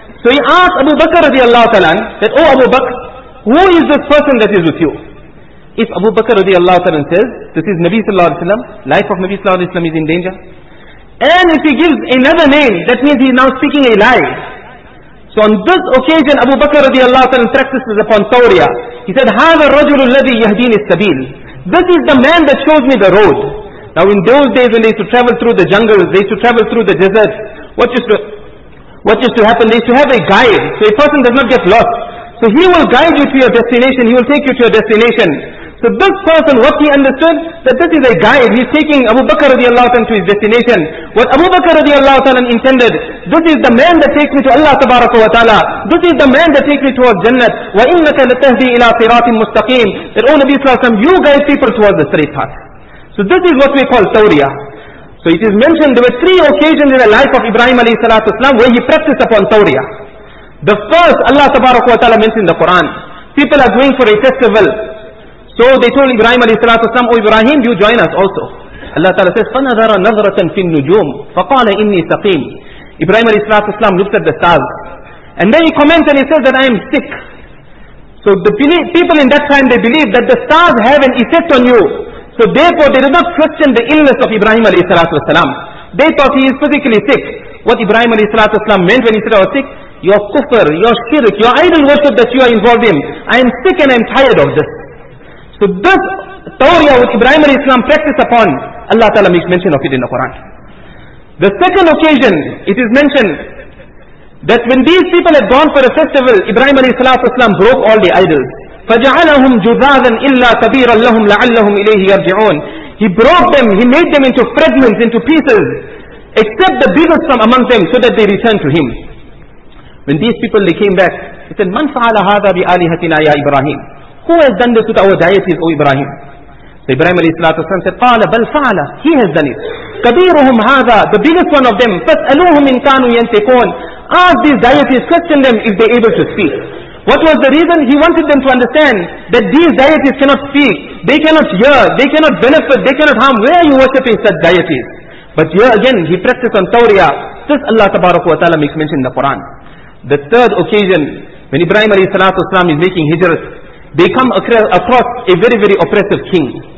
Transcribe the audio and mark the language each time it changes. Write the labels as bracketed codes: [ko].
[en] So he asks Abu Bakr radiallahu ta'ala, that, oh Abu Bakr, who is this person that is with you? If Abu Bakr radiallahu ta'ala says, this is Nabi sallallahu alayhi wa sallam, life of Nabi sallallahu alayhi wa sallam is in danger. And if he gives another name, that means he is now speaking a lie. So on this occasion, Abu Bakr radiallahu ta'ala practices upon tawriya. [ar] He said, هذا الرجل الذي يهديني السبيل. [en] This is the man that shows me the road. Now in those days when they used to travel through the jungles, they used to travel through the desert, what used to happen? They used to have a guide, so a person does not get lost. So he will guide you to your destination, he will take you to your destination. So this person, what he understood, that this is a guide, he's taking Abu Bakr radiallahu ta'ala to his destination. What Abu Bakr radiallahu ta'ala intended, this is the man that takes me to Allah tabaraka wa ta'ala. This is the man that takes me towards Jannah. [ar] وَإِنَّكَ لَتَهْدِي إِلَىٰ صِرَاطٍ مُسْتَقِيمٍ. [en] That, oh Nabi sallallahu alayhi wa sallam, you guide people towards the straight path. So this is what we call tawriya. So it is mentioned, there were three occasions in the life of Ibrahim alayhi salatu wasalam where he practiced upon tawriya. The first, Allah tabaraka wa ta'ala mentioned in the Quran. People are going for a festival. So they told Ibrahim alayhi salatu wasalam, oh Ibrahim, you join us also. Allah ta'ala says, [ar] فَنَذَرَ نَذْرَةً فِي النُّجُومِ فَقَالَ إِنِّي سَقِيمٍ. [en] Ibrahim alayhi salatu wasalam looks at the stars. And then he comments and he says that I am sick. So the people in that time, they believe that the stars have an effect on you. So therefore they did not question the illness of Ibrahim alayhi salatu wasalam. They thought he is physically sick. What Ibrahim alayhi salatu wasalam meant when he said I was sick, your kufr, your shirk, your idol worship that you are involved in, I am sick and I am tired of this. So this tawriya which Ibrahim alayhi salam practiced upon, Allah ta'ala makes mention of it in the Quran. The second occasion, it is mentioned that when these people had gone for a festival, Ibrahim alayhi salatu wasalam broke all the idols. [ar] فَجَعَلَهُمْ جُذَاذًا إِلَّا كَبِيرًا لَهُمْ لَعَلَّهُمْ إِلَيْهِ يَرْجِعُونَ. [en] He broke them, he made them into fragments, into pieces, except the biggest from among them, so that they returned to him. When these people, they came back, he said, [ar] مَنْ فَعَلَ هَذَا بِآلِهَتِنَا يَا إِبْرَاهِيمُ. [en] Who has done this with our deities, O Ibrahim? So Ibrahim alayhi salatu wasalam said, [ar] قَالَ بَلْ فَعَلَ. [en] He has done it. [ar] كَبِيرُهُمْ هَذَا, [en] the biggest one of them, [ar] فَسْأَلُوهُمْ إِنْ كَانُوا يَنْتِقُونَ. [en] Ask these deities, question them if they are able to speak. What was the reason? He wanted them to understand that these deities cannot speak, they cannot hear, they cannot benefit, they cannot harm. Where are you worshipping such deities? But here again, he practiced on tawriya. This Allah tabaraka wa ta'ala makes mention in the Quran. The third occasion, when Ibrahim alayhi salatu wasalam is making hijrah, they come across a very, very oppressive king.